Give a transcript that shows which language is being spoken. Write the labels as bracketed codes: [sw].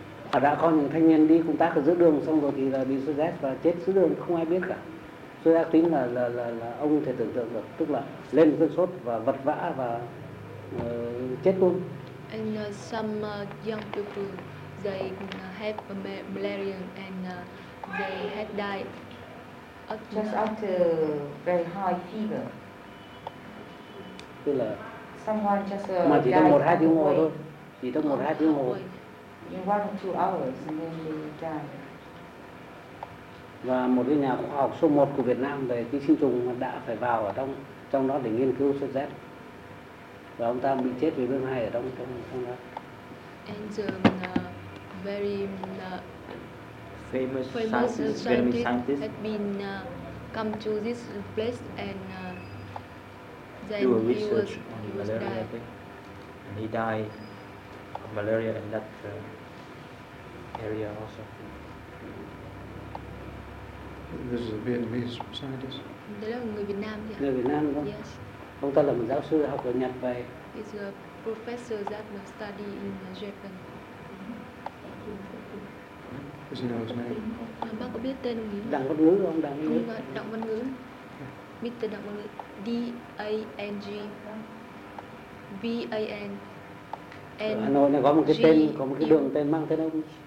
[vi] Ở đã có những thanh niên đi công tác ở giữa đường xong rồi thì là bị sốt rét và chết giữa đường không ai biết cả. Sốt rét tính là ông có thể tưởng tượng được, tức là lên cơn sốt và vật vã và chết luôn. [en] And some young people they have malaria and they had died just after very high fever. [vi] Tức là [en] someone [vi] mà chỉ trong 1-2 tiếng hồ thôi, chỉ trong 1-2 tiếng hồ. [en] In 1-2 hours, and then they die. [vi] Và một cái nhà khoa học số 1 của Việt Nam về ký sinh trùng đã phải vào ở trong đó để nghiên cứu sốt rét. Và ông ta bị chết vì thứ hai ở trong đó. [en] And the very famous scientist had been come to this place and do a research on malaria, I think. And he died of malaria in that area also. This is a Vietnamese scientist? [vi] Người Việt Nam, đúng không? Ông ta là một giáo sư học ở Nhật về. [en] He's a professor that was studying in Japan. Does he know his name? [vi] Bác có biết tên ông ấy? Đặng Văn Ngữ, ông Đặng Văn Ngữ. [en] Đặng Văn Ngữ. Mr. Đặng Văn Ngữ, D-A-N-G, V-A-N, N-G. [vi] Hà Nội này có một cái tên, có một cái đường tên mang tên ông.